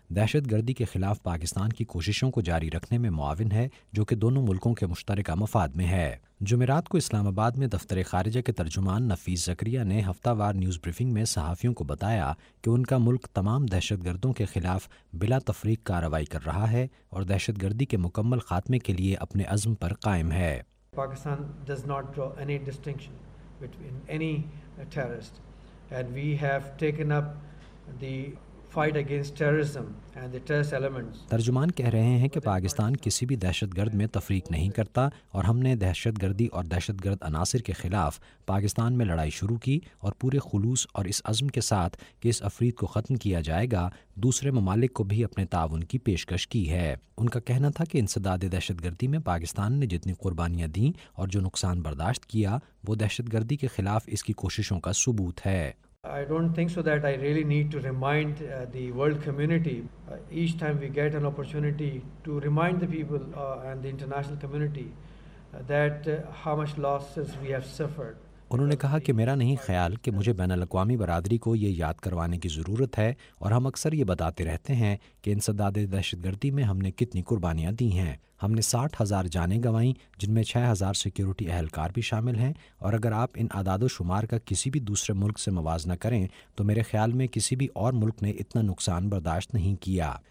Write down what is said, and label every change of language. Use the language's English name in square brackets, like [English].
[Urdu] دہشت گردی کے خلاف پاکستان کی کوششوں کو جاری رکھنے میں معاون ہے، جو کہ دونوں ملکوں کے مشترکہ مفاد میں ہے۔ جمعرات کو اسلام آباد میں دفتر خارجہ کے ترجمان نفیس زکریہ نے ہفتہ وار نیوز بریفنگ میں صحافیوں کو بتایا کہ ان کا ملک تمام دہشت گردوں کے خلاف بلا تفریق کارروائی کر رہا ہے اور دہشت گردی کے مکمل خاتمے کے لیے اپنے عزم پر قائم ہے۔ [English] between any terrorist, and we have taken up the fight against terrorism and the terrorist elements. [Urdu] ترجمان کہہ رہے ہیں کہ پاکستان کسی بھی دہشت گرد میں تفریق نہیں کرتا، اور ہم نے دہشت گردی اور دہشت گرد عناصر کے خلاف پاکستان میں لڑائی شروع کی، اور پورے خلوص اور اس عزم کے ساتھ کہ اس افریق کو ختم کیا جائے گا، دوسرے ممالک کو بھی اپنے تعاون کی پیشکش کی ہے۔ ان کا کہنا تھا کہ انسداد دہشت گردی میں پاکستان نے جتنی قربانیاں دیں اور جو نقصان برداشت کیا، وہ دہشت گردی کے خلاف اس کی کوششوں کا ثبوت ہے۔ [English] I don't think so that I really need to remind the world community each time we get an opportunity to remind the people and the international community that how much losses we have suffered [Urdu] انہوں نے کہا کہ میرا نہیں خیال کہ مجھے بین الاقوامی برادری کو یہ یاد کروانے کی ضرورت ہے, اور ہم اکثر یہ بتاتے رہتے ہیں کہ انسداد دہشت گردی میں ہم نے کتنی قربانیاں دی ہیں. ہم نے 60,000 جانیں گنوائیں, جن میں 6,000 سیکیورٹی اہلکار بھی شامل ہیں, اور اگر آپ ان اعداد و شمار کا کسی بھی دوسرے ملک سے موازنہ کریں تو میرے خیال میں کسی بھی اور ملک نے اتنا نقصان برداشت نہیں کیا.